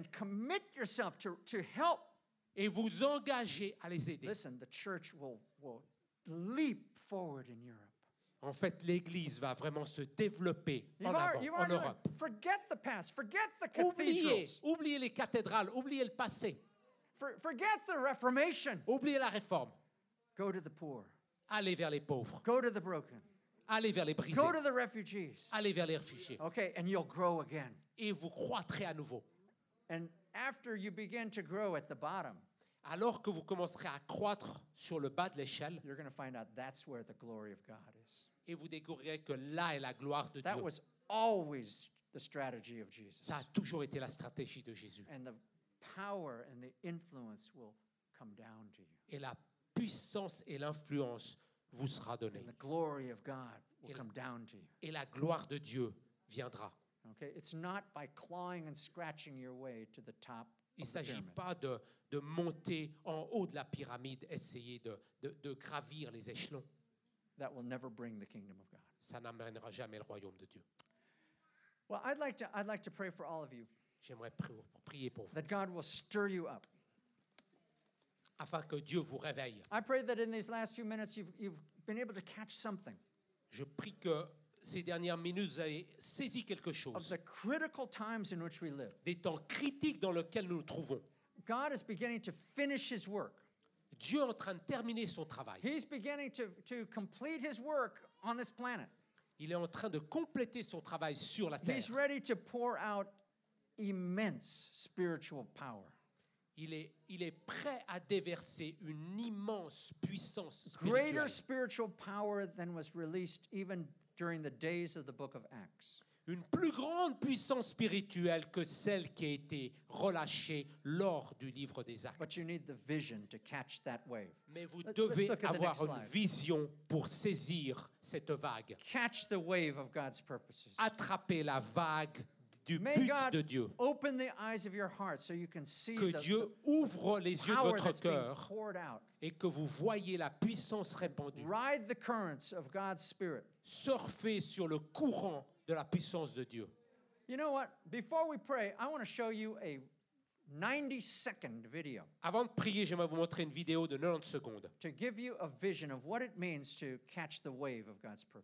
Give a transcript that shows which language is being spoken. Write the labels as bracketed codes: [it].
[en] And commit yourself to help. [fr] Et vous engager à les aider. [en] Listen, the church will leap forward in Europe. [fr] En fait, l'Église va vraiment se développer en Europe. [en] Forget the past, forget the cathedrals. [fr] Oubliez les cathédrales, oubliez le passé. [en] Forget the Reformation. [fr] Oubliez la réforme. [en] Go to the poor. [fr] Allez vers les pauvres. [en] Go to the broken. [fr] Allez vers les brisés. [en] Go to the refugees. [fr] Allez vers les réfugiés. [en] Okay, and you'll grow again. [fr] Et vous croîtrez à nouveau. [en] And after you begin to grow at the bottom, [fr] alors que vous commencerez à croître sur le bas de l'échelle, [en] you're going to find out that's where the glory of God is. [fr] Et vous découvrirez que là est la gloire de [en] that [fr] Dieu. [en] That was always the strategy of Jesus. [fr] Ça a toujours été la stratégie de Jésus. [en] And the power and the influence will come down to you. [fr] Et la puissance et l'influence vous sera donnée. [en] And the glory of God will come down to you. [fr] Et la gloire de Dieu viendra. [en] Okay, it's not by clawing and scratching your way to the top. [fr] Il ne s'agit pas de monter en haut de la pyramide, essayer de gravir les échelons. [en] That will never bring the kingdom of God. [fr] Ça n'amènera jamais le royaume de Dieu. [en] Well, I'd like to pray for all of you. [fr] J'aimerais prier pour vous. [en] That God will stir you up. [fr] Afin que Dieu vous réveille. [en] I pray that in these last few minutes you've been able to catch something. [fr] Je prie que ces dernières minutes, vous avez saisi quelque chose. [en] Of the critical times in which we live. [fr] Des temps critiques dans lesquels nous nous trouvons. [en] God is beginning to finish his work. [fr] Dieu est en train de terminer son travail. [en] He's beginning to complete his work on this planet. [fr] Il est en train de compléter son travail sur la terre. [en] He's ready to pour out immense spiritual power. [fr] Il est prêt à déverser une immense puissance spirituelle. [en] Greater spiritual power than was released even during the days of the book of Acts. [fr] Une plus grande puissance spirituelle que celle qui a été relâchée lors du livre des Actes. [en] But you need the vision to catch that wave. [fr] Mais vous devez avoir une vision pour saisir cette vague. [en] Catch the wave of God's purposes. [fr] Attrapez la vague du but [en] May God [fr] de Dieu. [en] Open the eyes of your heart so you can see [fr] que Dieu ouvre les yeux de votre cœur et que vous voyez la puissance répandue. [en] Ride the currents of God's spirit. [fr] Surfez sur le courant de la puissance de Dieu. [en] You know what? Before we pray, I want to show you a 90 second video. [fr] Avant de prier, j'aimerais vous montrer une vidéo de 90 secondes. [en] To give you a vision of what it means to catch the wave of God's purpose.